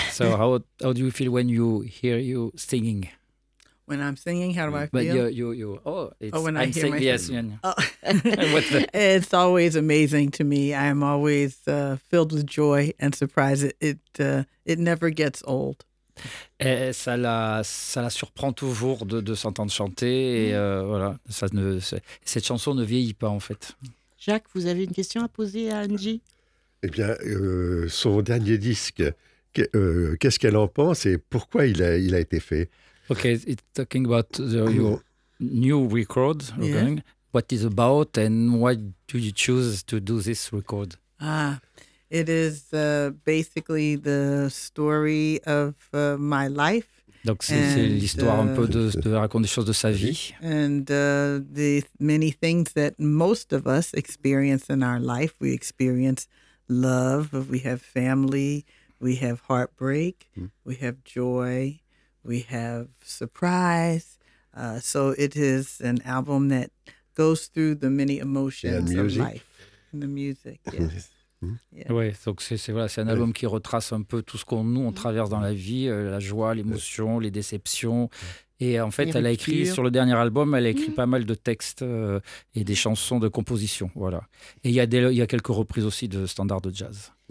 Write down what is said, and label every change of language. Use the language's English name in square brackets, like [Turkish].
[English] So how do you feel when you hear you singing? When I'm singing, how do I feel? But you oh, it's, oh, when I hear singing, my yes, singing. Yeah. Oh. It's always amazing to me. I am always filled with joy and surprise. It never gets old. [French] Et ça la surprend toujours de s'entendre chanter et voilà, ça ne, cette chanson ne vieillit pas en fait. Jacques, vous avez une question à poser à Angie? Eh bien, son dernier disque, qu'est-ce qu'elle en pense et pourquoi il a été fait? [English] Ok, it's talking about your new record, yeah. What is about and why do you choose to do this record? Ah. It is basically the story of my life. [French] Donc c'est l'histoire un peu de raconter des choses de sa vie. [English] And the many things that most of us experience in our life, we experience love, we have family, we have heartbreak, we have joy, we have surprise. So it is an album that goes through the many emotions of life. And the music, yes. [French] Ouais, donc c'est un album qui retrace un peu tout ce qu'on nous on traverse dans la vie, la joie, l'émotion, les déceptions. Et en fait, elle a écrit sur le dernier album, elle a écrit pas mal de textes et des chansons de composition, voilà. Et il y a quelques reprises aussi de standards de jazz.